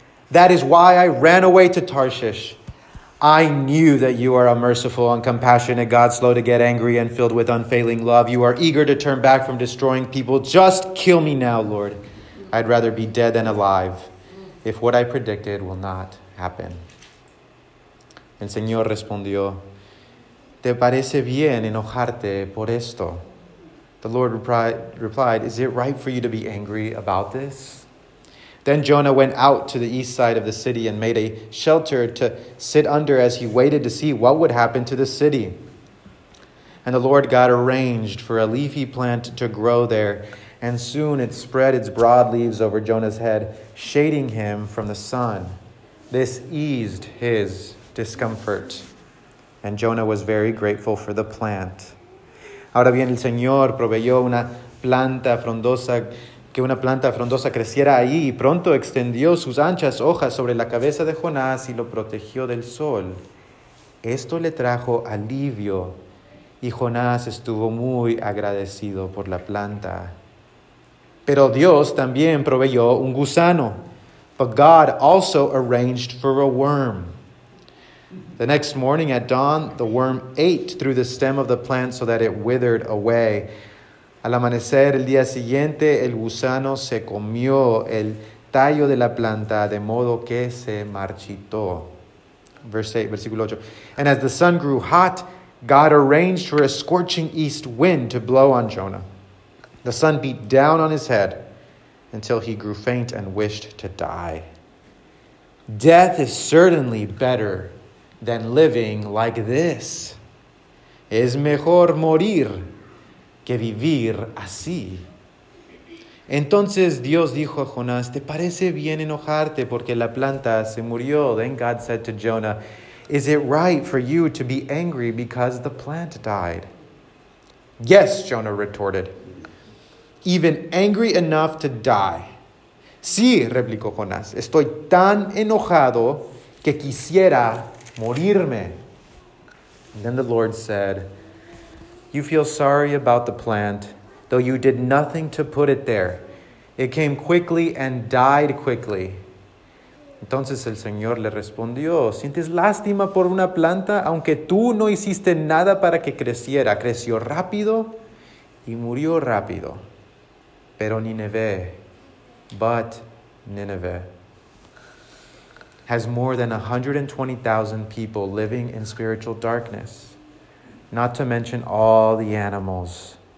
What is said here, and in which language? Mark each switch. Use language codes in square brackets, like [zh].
[en] That is why I ran away to Tarshish. I knew that you are a merciful and compassionate God, slow to get angry and filled with unfailing love. You are eager to turn back from destroying people. Just kill me now, Lord. I'd rather be dead than alive if what I predicted will not happen." [es] El Señor respondió, "¿Te parece bien enojarte por esto?" [en] The Lord replied, "Is it right for you to be angry about this?" Then Jonah went out to the east side of the city and made a shelter to sit under as he waited to see what would happen to the city. And the Lord God arranged for a leafy plant to grow there, and soon it spread its broad leaves over Jonah's head, shading him from the sun. This eased his discomfort, and Jonah was very grateful for the plant. [es] Ahora bien, el Señor proveyó una planta frondosa creciera ahí, y pronto extendió sus anchas hojas sobre la cabeza de Jonás y lo protegió del sol. Esto le trajo alivio, y Jonás estuvo muy agradecido por la planta. Pero Dios también proveyó un gusano. [en] But God also arranged for a worm. The next morning at dawn, the worm ate through the stem of the plant so that it withered away. [es] Al amanecer el día siguiente, el gusano se comió el tallo de la planta de modo que se marchitó. Versículo 8. [en] And as the sun grew hot, God arranged for a scorching east wind to blow on Jonah. The sun beat down on his head until he grew faint and wished to die. Death is certainly better than living like this. [es] Es mejor morir que vivir así. Entonces Dios dijo a Jonás, ¿te parece bien enojarte porque la planta se murió? [en] Then God said to Jonah, is it right for you to be angry because the plant died? Yes, Jonah retorted, even angry enough to die. [es] Sí, replicó Jonás, estoy tan enojado que quisiera morirme. [en] And then the Lord said, you feel sorry about the plant, though you did nothing to put it there. It came quickly and died quickly. [es] Entonces el Señor le respondió, ¿sientes lástima por una planta, aunque tú no hiciste nada para que creciera? Creció rápido y murió rápido. Pero Nineveh, [en] but Nineveh, has more than 120,000 people living in spiritual darkness, not to mention all the animals.